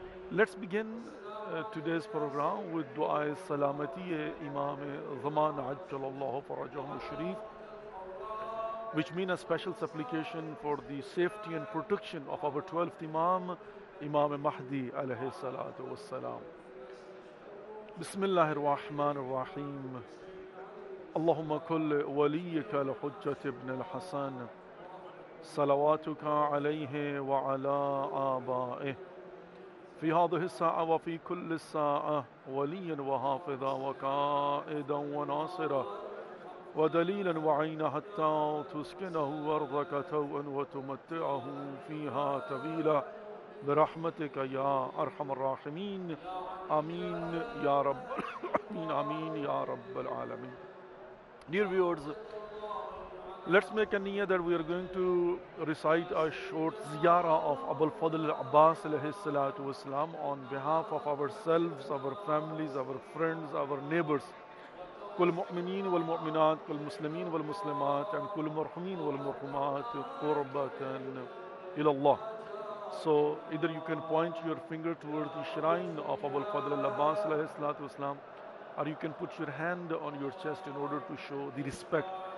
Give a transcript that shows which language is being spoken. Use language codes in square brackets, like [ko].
[en] Let's begin today's program with dua salamati Imam Zaman Ajjalallahu Farajahum Sharif, which means a special supplication for the safety and protection of our 12th Imam, Imam Mahdi alayhi salatu wassalam. [ar] بسم الله الرحمن الرحيم. اللهم كل وليك الحجة ابن الحسن صلواتك عليه وعلى آبائه في هذه الساعة وفي كل الساعة، وليا وحافظا وقائدا وناصرا ودليلا وعينا، حتى تسكنه أرضك توءا وتمتعه فيها طويلا، برحمتك يا أرحم الراحمين. آمين يا رب. آمين يا رب العالمين. [en] Dear viewers, let's make a niya that we are going to recite a short ziyara of Abu al-Fadl al-Abbas alayhi salatu wasalam on behalf of ourselves, our families, our friends, our neighbors. [ar] كل مؤمنين والمؤمنات، كل مسلمين والمسلمات، and كل مرحومين والمرحومات قربة إلى الله. [en] So either you can point your finger towards the shrine of Abu al-Fadl al-Abbas alayhi salatu wasalam, or you can put your hand on your chest in order to show the respect.